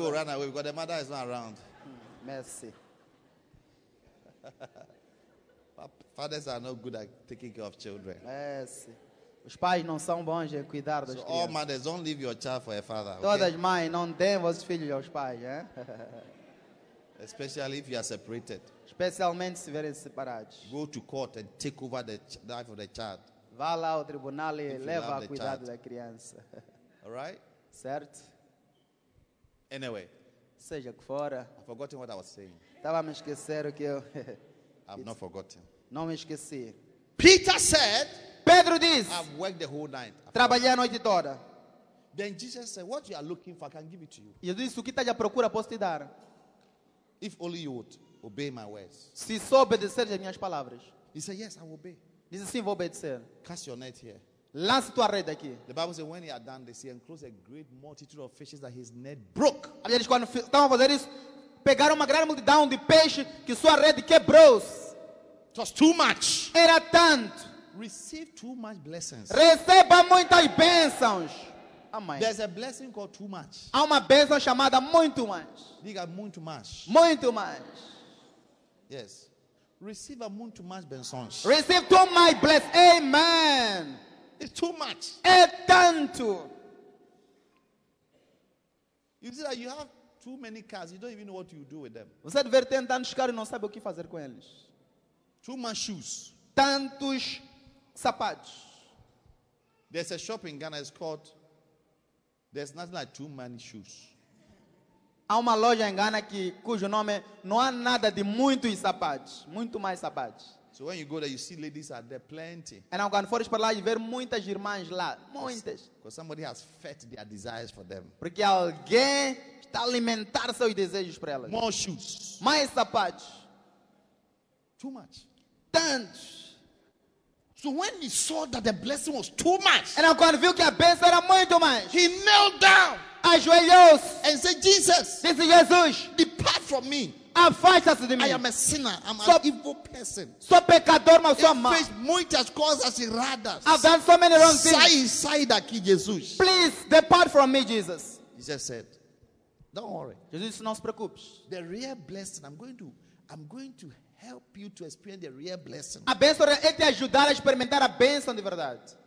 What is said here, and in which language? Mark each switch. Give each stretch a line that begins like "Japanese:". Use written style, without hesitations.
English: Will run away because the mother is not around. Mercy. Fathers are not good at taking care of children. Yes.
Portuguese: Os pais não são bons em cuidar das crianças.
English: All mothers don't leave your child for a father. Okay?
Portuguese: Todas as mães não dêem os filhos aos pais, hein?
English: Especially if you are separated.
Portuguese: Especialmente se verem separados.
English: Go to court and take over the life of the child.
Portuguese: Vá lá ao tribunal e leva a cuidado da criança.
English: All right?
Portuguese: Certo?
English: Anyway.
Portuguese: Seja que fora.
English: I've forgotten what I was saying.
Portuguese: Estava a me esquecer o que eu.
English: I've not forgotten.
Portuguese: Não me esqueci.
English: Peter said.
Portuguese: Pedro diz.
English: I've worked the whole night.
Portuguese: Trabalhei a noite toda.
English: Then Jesus said, "What you are looking for, I can give it to you."
Portuguese: Jesus disse, o que está à procura, posso te dar.
English: If only you would obey my words.
Portuguese: Se só obedecer as minhas palavras.
English: He said, "Yes, I will obey."
Portuguese: Diz assim, vou obedecer.
English: Cast your net here.
Portuguese: Lance tua rede aqui.
English: The Bible says, when he had done this, he enclosed a great multitude of fishes that his net broke.
Portuguese: A Bíblia diz quando estavam a fazer isso, pegaram uma grande multidão de peixe que sua rede quebrou-se.
English: It was too much.
Portuguese: Era tanto.
English: Receive too much blessings.
Portuguese: Receba muitas bênçãos. Amém.
English: There's a blessing called too much.
Portuguese: Há uma bênção chamada muito mais. Diga muito mais. Muito mais.
English: Yes. Receive
Portuguese: a muito mais bênçãos.
English: Receive too much blessings. Amen. It's too much.
Portuguese: É tanto.
English: You see that you have too many cars. You don't even know what you do with them.
Portuguese: Você deve ter tantos carros e não sabe o que fazer com eles.
English: Too much shoes.
Portuguese: Tantos sapatos.
English: There's a shop in Ghana, it's called There's nothing like too many shoes.
Portuguese: Há uma loja em Ghana que, cujo nome não há nada de muitos sapatos, muito mais sapatos.
English: So when you go there you see ladies are there plenty.
Portuguese: E não, quando fores para lá e ver muitas irmãs lá, muitas.
English: Because somebody has fed their desires for them.
Portuguese: Porque alguém está a alimentar seus desejos para elas.
English: More shoes.
Portuguese: Mais sapatos.
English: Too much.
Portuguese: Tantos.
English: So when he saw that the blessing was too much, and now
Portuguese: quando viu que a bênção era muito mais,
English: he knelt down,
Portuguese: ajoelhou-se,
English: and said, "Jesus,
Portuguese: disse Jesus,
English: depart from me,
Portuguese: afasta-se de mim.
English: I am a sinner, I'm so, an evil person.
Portuguese: Sou pecador, mas sou mau. Fez muitas coisas erradas.
English: I've done so many wrong things.
Portuguese: Sai daqui, Jesus.
English: Please depart from me, Jesus." Jesus said, "Don't worry."
Portuguese: Jesus não se preocupe.
English: The real blessing, I'm going to help you to experience the real blessing.
Portuguese: A bênção é te ajudar a experimentar a bênção de verdade.